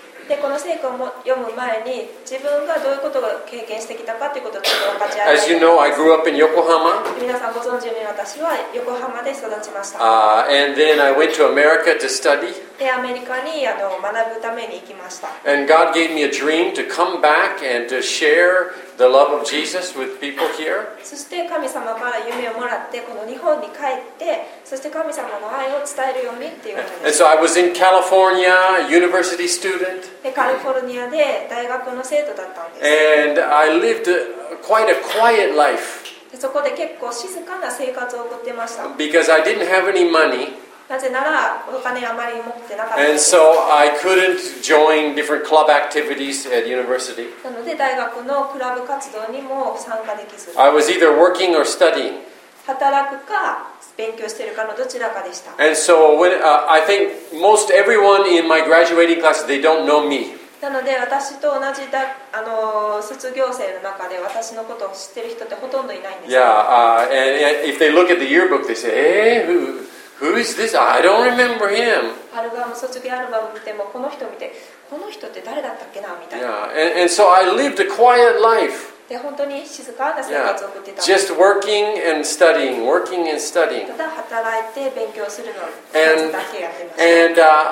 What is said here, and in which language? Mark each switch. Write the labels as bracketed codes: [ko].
[ja] で、この聖句を読む前に自分がどういうことを経験してきたかということをちょっと分かち合います。 [en] As you know, I grew up in Yokohama. [ja] 皆さんご存知のように私は横浜で育ちました。 [en] And then I went to America to study. [ja] で、アメリカに学ぶために行きました。 [en] And God gave me a dream to come back and to share the love of Jesus with people here. [ja] そして神様から夢をもらってこの日本に帰って、そして神様の愛を伝えるようにっていうことです。 [en] And so I was in California, university student. [ja] で、カリフォルニアで大学の生徒だったんです。 [en] And I lived quite a quiet life. [ja] そこで結構静かな生活を送ってました。 [en] Because I didn't have any money. [ja] なぜならお金あまり持ってなかった。 [en] And so I couldn't join different club activities at university. [ja] なので大学のクラブ活動にも参加できず。 [en] I was either working or studying. [ja] 働くか勉強してるかのどちらかでした。 [en] And so when, I think most everyone in my graduating class, they don't know me. [ja] なので私と同じだ卒業生の中で私のことを知ってる人ってほとんどいないんです。 [en] Yeah, and if they look at the yearbook, they say, hey, who, Who is this? I don't remember him. [ja] アルバム、卒業アルバム見てもこの人見て、この人って誰だったっけなみたいな。 [en] Yeah. And so I lived a quiet life. [ja] で本当に静かな生活を送ってた。 [en] Yeah. Just working and studying, working and studying. [ja] ただ働いて勉強するのだけやってました。